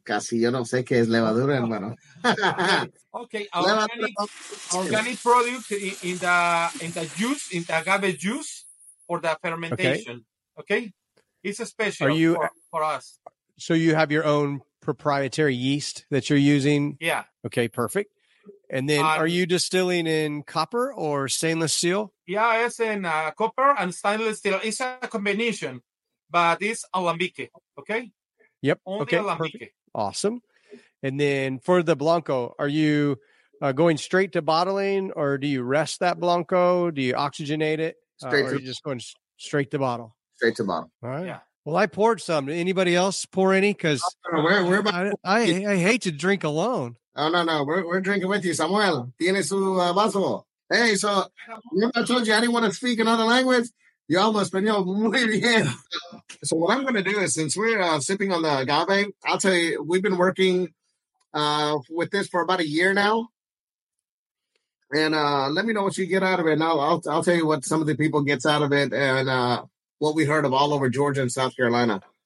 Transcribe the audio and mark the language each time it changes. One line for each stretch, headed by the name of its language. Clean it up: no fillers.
Spanish: Casi yo no sé qué es levadura, hermano.
English: Okay. Organic product in the juice, in the agave juice for the fermentation. Okay. Okay? It's special for us. So you have your own proprietary yeast that you're using? Yeah. Okay, perfect. And then are you distilling in copper or stainless steel? Yeah, it's in copper and stainless steel. It's a combination, but it's alambique, okay? Yep. Only okay, alambique. Perfect. Awesome. And then for the Blanco, are you going straight to bottling or do you rest that Blanco? Do you oxygenate it? Or are you just going straight to bottle? Straight to bottle. All right. Yeah. Well, I poured some. Anybody else pour any? Because I hate to drink alone. Oh, no, no. We're drinking with you, Samuel.
Spanish: Tiene su vaso.
English: Hey, so remember I told you I didn't want to speak another language? You almost
Spanish: español muy bien.
English: So what I'm going to do is, since we're sipping on the agave, I'll tell you, we've been working with this for about a year now. And let me know what you get out of it. Now I'll tell you what some of the people gets out of it. And what we heard of all over Georgia and South Carolina.